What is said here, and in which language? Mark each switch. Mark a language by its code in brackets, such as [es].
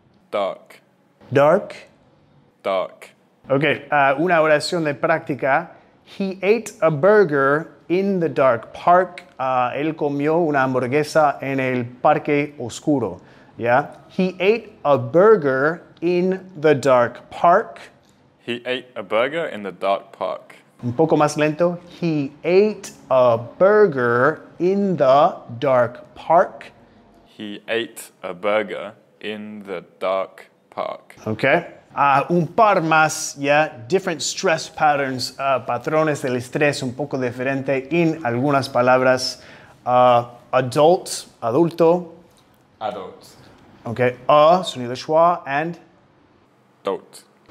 [en] Dark. Dark. Dark. Okay. [es] Una oración de práctica. [en] He ate a burger in the dark. Park. [es] Él comió una hamburguesa en el parque oscuro. [en] Yeah. He ate a burger in the dark. Park. He ate a burger in the dark park. [es] Un poco más lento. [en] He ate a burger in the dark park. He ate a burger in the dark park. [es] Okay. Un par más, ya, yeah. [en] Different stress patterns, [es] patrones del estrés un poco diferente en algunas palabras. [en] Adult, [es] adulto. [en] Adult. [es] Okay, sonido de schwa, and? [en] Adult.